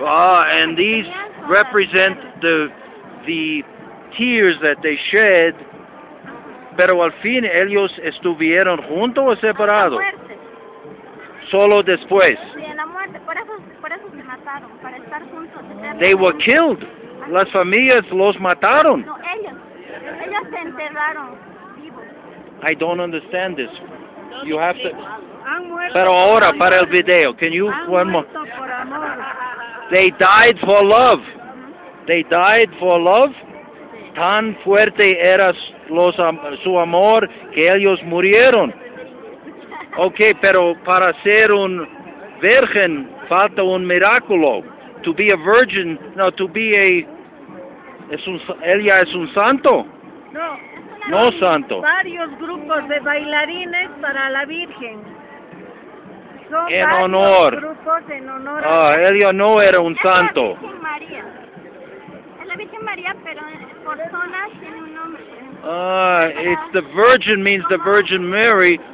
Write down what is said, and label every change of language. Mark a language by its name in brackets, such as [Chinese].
[English] Ah, and these represent the tears that they shed. [Spanish] Pero al fin ellos estuvieron juntos o separados. Solo después. Sí, en la muerte. Por eso se mataron, para estar juntos. [English] They were killed. [Spanish] Las familias los mataron. No, ellos se enterraron vivos. [English] I don't understand this. You have to... [Spanish] Pero ahora, para el video, [English] can you... One more. [Spanish] Por amor. [English] They died for love. They died for love. [Spanish] Tan fuerte era su amor que ellos murieron. Okay, pero para ser un virgen, falta un miraculo. [English] To be a virgin, no, to be a... [Spanish] ¿Ella es un santo? No. No santo. Varios grupos de bailarines para la Virgen. Son en honor. Grupos en honor. Ah, ella no era un santo. Es la Virgen María. Es la Virgen María, pero por zonas tiene un nombre. [English] Ah, it's the Virgin means the Virgin Mary.